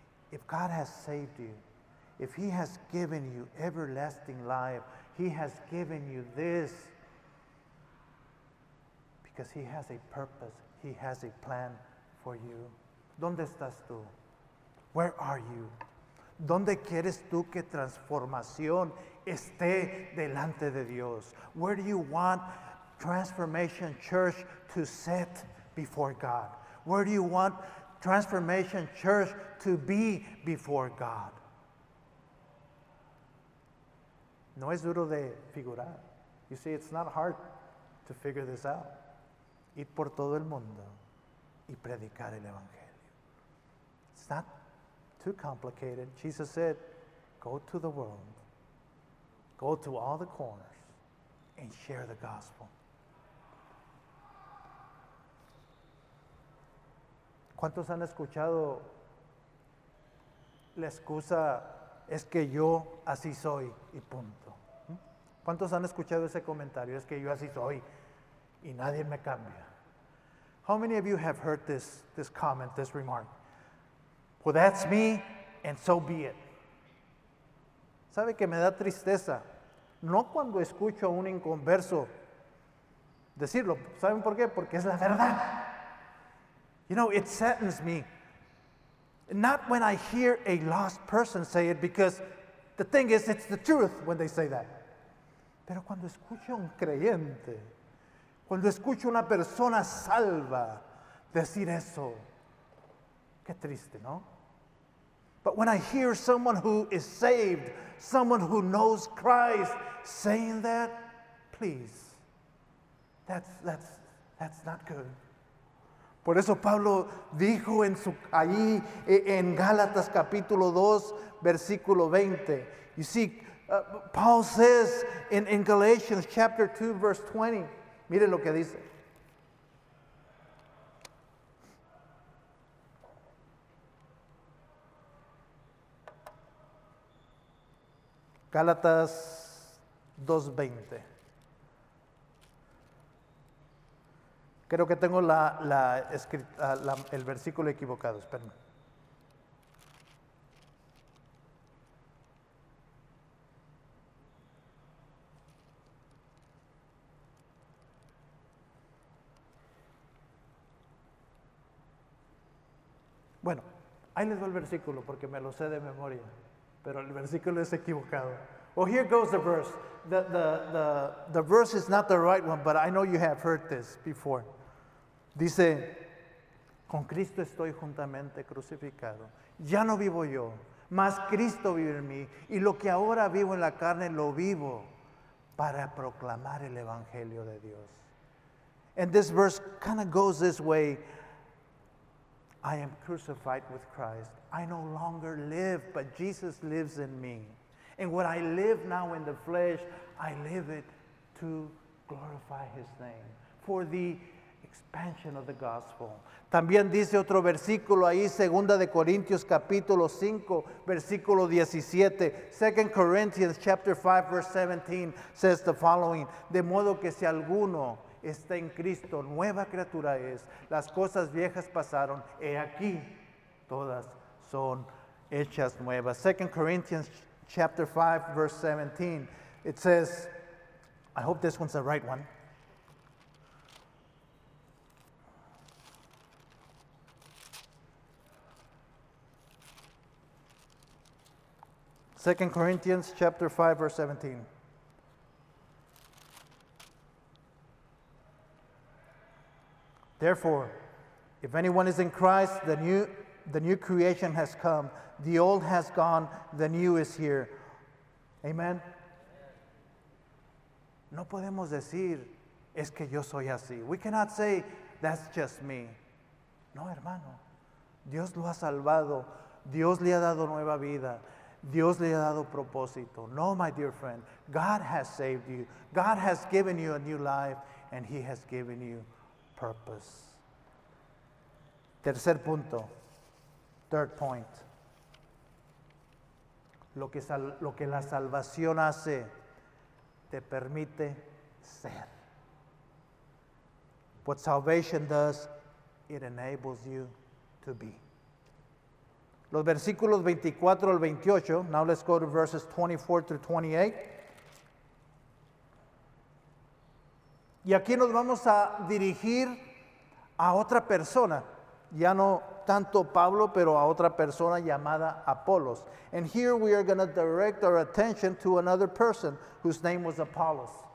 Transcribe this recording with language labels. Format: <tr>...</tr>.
<en>If God has saved you, if He has given you everlasting life, He has given you this because He has a purpose, He has a plan for you.</en> <es>¿Dónde estás tú?</es> <en>Where are you?</en> <es>¿Dónde quieres tú que transformación esté delante de Dios?</es> <en>Where do you want Transformation Church to sit before God? Where do you want Transformation Church to be before God?</en> <es>No es duro de figurar.</es> <en>You see, it's not hard to figure this out.</en> <es>Ir por todo el mundo y predicar el Evangelio.</es> <en>It's not too complicated. Jesus said, go to the world. Go to all the corners and share the gospel.</en> <es>¿Cuántos han escuchado la excusa, es que yo así soy y punto? ¿Cuántos han escuchado ese comentario, es que yo así soy y nadie me cambia?</es> <en>How many of you have heard this comment, this remark? Well, that's me and so be it.</en> <es>¿Sabe que me da tristeza? No cuando escucho a un inconverso decirlo. ¿Saben por qué? Porque es la verdad.</es> <en>You know, it saddens me. Not when I hear a lost person say it, because the thing is, it's the truth when they say that.</en> <es>Pero cuando escucho a un creyente, cuando escucho a una persona salva decir eso, qué triste, ¿no?</es> <en>But when I hear someone who is saved, someone who knows Christ saying that, please, that's not good.</en> <es>Por eso Pablo dijo en su ahí en Gálatas capítulo 2 versículo 20.</es> <en>You see, Paul says in Galatians chapter 2 verse 20.</en> <es>Mire lo que dice. Gálatas 2:20. Creo que tengo el versículo equivocado, espérenme. Bueno, ahí les doy el versículo porque me lo sé de memoria, pero el versículo es equivocado.</es> <en>Well, here goes the verse. The verse is not the right one, but I know you have heard this before.</en> <es>Dice, con Cristo estoy juntamente crucificado. Ya no vivo yo, mas Cristo vive en mí. Y lo que ahora vivo en la carne, lo vivo para proclamar el Evangelio de Dios.</es> <en>And this verse kind of goes this way. I am crucified with Christ. I no longer live, but Jesus lives in me. And what I live now in the flesh, I live it to glorify His name. For the expansion of the gospel.</en> <es>También dice otro versículo ahí, Segunda de Corintios capítulo 5, versículo 17.</es> <en>Second Corinthians chapter 5 verse 17 says the following:</en> <es>de modo que si alguno está en Cristo, nueva criatura es; las cosas viejas pasaron, he aquí, todas son hechas nuevas.</es> <en>Second Corinthians chapter 5 verse 17. It says, I hope this one's the right one. Second Corinthians chapter 5 verse 17. Therefore, if anyone is in Christ, the new creation has come. The old has gone, the new is here. Amen.</en> <es>No podemos decir, es que yo soy así.</es> <en>We cannot say, that's just me.</en> <es>No, hermano. Dios lo ha salvado. Dios le ha dado nueva vida. Dios le ha dado propósito. No,</es> <en>my dear friend. God has saved you. God has given you a new life. And he has given you purpose.</en> <es>Tercer punto.</es> <en>Third point.</en> <es>Lo que la salvación hace, te permite ser.</es> <en>What salvation does, it enables you to be.</en> <es>Los versículos 24 al 28,</es> <en>now let's go to verses 24 through 28.</en> <es>Y aquí nos vamos a dirigir a otra persona, ya no tanto Pablo, pero a otra persona llamada Apolos.</es> <en>And here we are going to direct our attention to another person whose name was Apollos.</en>